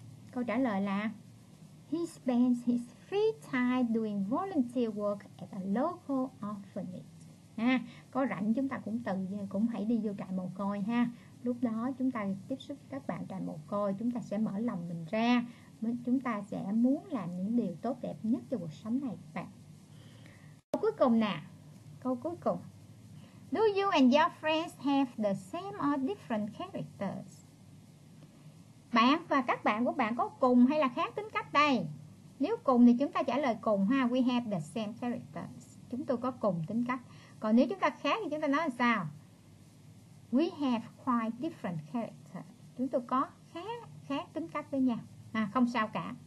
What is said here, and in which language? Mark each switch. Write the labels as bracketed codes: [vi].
[en] Câu trả lời là he spends his free time doing volunteer work at a local orphanage. [vi] Ha, có rảnh chúng ta cũng hãy đi vô trại mồ côi ha. Lúc đó chúng ta tiếp xúc các bạn trại mồ côi, chúng ta sẽ mở lòng mình ra, chúng ta sẽ muốn làm những điều tốt đẹp nhất cho cuộc sống này các bạn. Câu cuối cùng nè. Câu cuối cùng. [en] Do you and your friends have the same or different characters? [vi] Bạn và các bạn của bạn có cùng hay là khác tính cách đây? Nếu cùng thì chúng ta trả lời cùng ha. [en] We have the same characters. [vi] Chúng tôi có cùng tính cách. Còn nếu chúng ta khác thì chúng ta nói là sao? [en] We have quite different characters. [vi] Chúng tôi có khác tính cách với nhau. À, không sao cả.